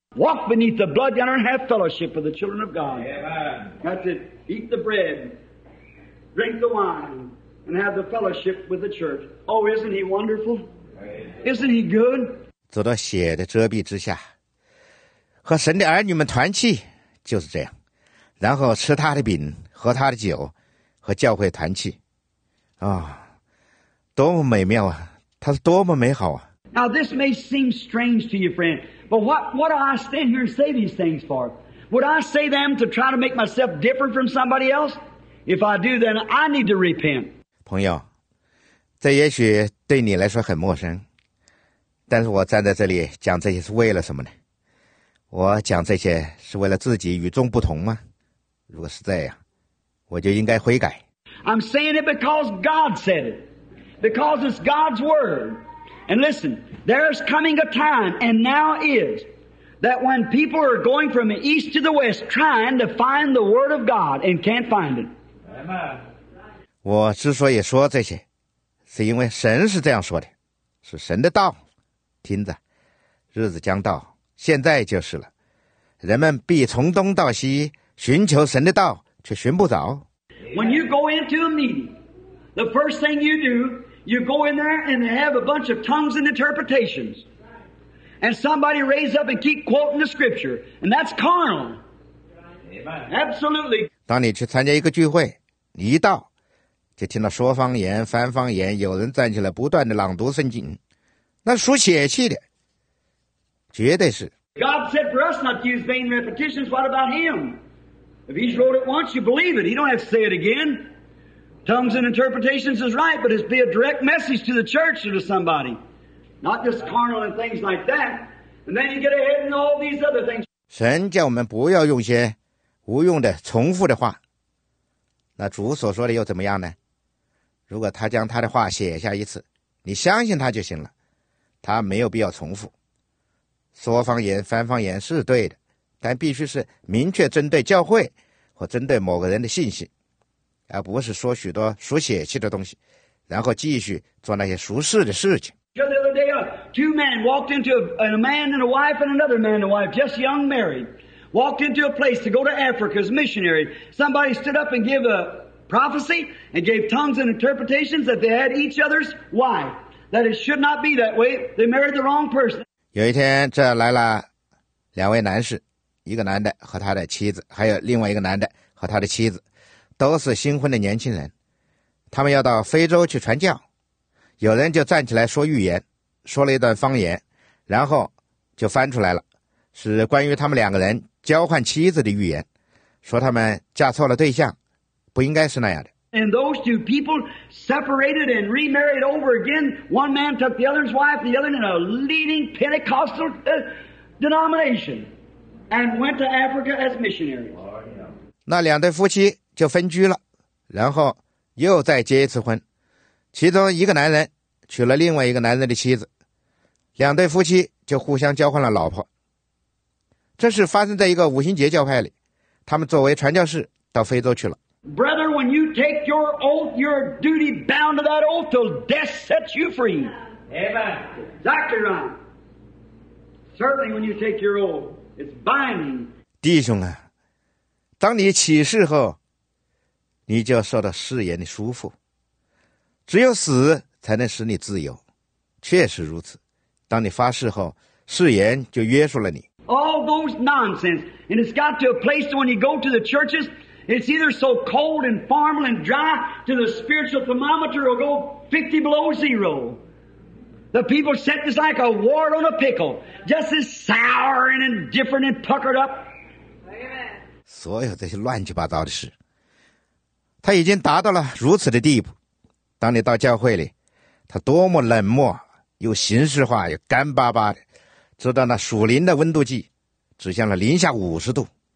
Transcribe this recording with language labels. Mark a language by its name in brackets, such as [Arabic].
[English] Walk beneath the blood and have fellowship with the children of God. Amen. That's it. Eat the bread, drink the wine, and have the fellowship with the church. Oh, isn't he wonderful? Isn't he good? [Chinese] 走到血的遮蔽之下，和神的儿女们团契，就是这样，然后吃他的饼，喝他的酒，和教会团契。啊，多么美妙啊，它是多么美好啊。 [English] Now this may seem strange to you, friend, but what do I stand here and say these things for? Would I say them to try to make myself different from somebody else? If I do, then I need to repent. [Chinese] 朋友，这也许对你来说很陌生，但是我站在这里讲这些是为了什么呢？我讲这些是为了自己与众不同吗？如果是这样，我就应该悔改。 [English] I'm saying it because God said it, because it's God's word. And listen, there's coming a time, and now is, that when people are going from the east to the west trying to find the word of God and can't find it. Amen. [Chinese] 我之所以说这些，是因为神是这样说的，是神的道。听着，日子将到。现在就是了，人们必从东到西寻求神的道，却寻不着。 [English] When you go into a meeting, the first thing you do, you go in there and they have a bunch of tongues and interpretations, and somebody raise up and keep quoting the scripture, and that's carnal. Absolutely. [Chinese] 当你去参加一个聚会，你一到就听到说方言、翻方言，有人站起来不断的朗读圣经，那属血气的。绝对是。 [English] God said for us not to use vain repetitions. What about him? If he's wrote it once, you believe it. He don't have to say it again. Tongues and interpretations is right, but it's be a direct message to the church or to somebody. Not just carnal and things like that. And then you get ahead in all these other things. [Chinese] 神叫我们不要用些无用的重复的话。那主所说的又怎么样呢？如果他将他的话写下一次，你相信他就行了。他没有必要重复。说方言、翻方言是对的，但必须是明确针对教会或针对某个人的信心，而不是说许多属血气的东西，然后继续做那些俗世的事情。 [English] The other day, two men walked into a man and a wife and another man and a wife, just young married, walked into a place to go to Africa as missionary. Somebody stood up and gave a prophecy and gave tongues and interpretations that they had each other's wife. That it should not be that way. They married the wrong person. [Chinese] 有一天，这来了两位男士，一个男的和他的妻子，还有另外一个男的和他的妻子，都是新婚的年轻人。他们要到非洲去传教，有人就站起来说预言，说了一段方言，然后就翻出来了，是关于他们两个人交换妻子的预言，说他们嫁错了对象，不应该是那样的。 [English] And those two people separated and remarried over again. One man took the other's wife, the other in a leading Pentecostal denomination, and went to Africa as missionaries. [Chinese] 那两对夫妻就分居了，然后又再结一次婚。其中一个男人娶了另外一个男人的妻子，两对夫妻就互相交换了老婆。这是发生在一个五旬节教派里，他们作为传教士到非洲去了。 [English] Brother, when you take your oath, you're duty bound to that oath till death sets you free. Amen. Exactly right. Certainly, when you take your oath, it's binding. [Chinese] 弟兄啊，当你起誓后，你就受到誓言的束缚。只有死才能使你自由，确实如此。当你发誓后，誓言就约束了你。 [English] All those nonsense, and it's got to a place when you go to the churches. It's either so cold and formal and dry to the spiritual thermometer will go 50 below zero. The people sit just like a wart on a pickle, just as sour and indifferent and puckered up. [Chinese] 所有这些乱七八糟的事。他已经达到了如此的地步，当你到教会里，他多么冷漠，又形式化，又干巴巴的，直到那属灵的温度计指向了-50°。